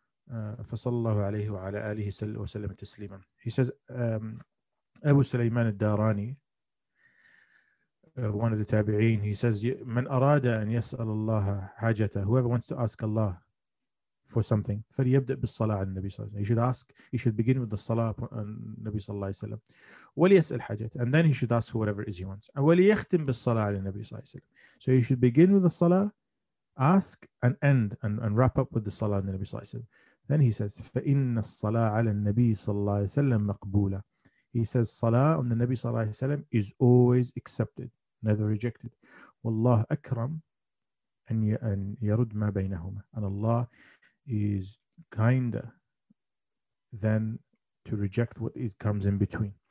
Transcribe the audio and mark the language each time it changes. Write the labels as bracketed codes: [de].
[ar] Fasallahu alayhi wa ala alihi wa sallam taslima. [en] He says, Abu Sulaiman al-Darani, one of the tabi'een, he says, [ar] Man arada an yas'al Allah hajata, [en] whoever wants to ask Allah for something, [ar] فَلْيَبْدَأْ بِالصَّلَاةِ عَلَى النَّبِي صَلَّى اللَّهُ عَلَيْهِ وَسَلَّمَ. [en] He should ask, he should begin with the salah on the Nabi sallallahu alayhi wa sallam. [ar] وَلْيَسْأَلْ حَجَتَهُ. [en] And then he should ask for whatever it is he wants. And [ar] وَلْيَخْتِمْ بِالصَّلَاةِ عَلَى النَّبِي صَلَّى اللَّهُ عَلَيْهِ وَسَلَّمَ. [en] So he should begin with the salah, ask and end and wrap up with the salah on the Nabi sallallahu alayhi wa sallam. Then he says, [ar] فَإِنَّ الصَّلَاةَ عَلَى النَّبِي صَلَّى اللَّهُ عَلَيْهِ مَقْبُولَة. [en] He says, salah on the Nabi sallallahu alayhi wa sallam is always accepted, never rejected. [ar] وَاللَّهُ أَكْرَمْ أَنْ يَرُدْ مَا بَيْنَهُمَا. [en] And Allah is kinder than to reject what it comes in between.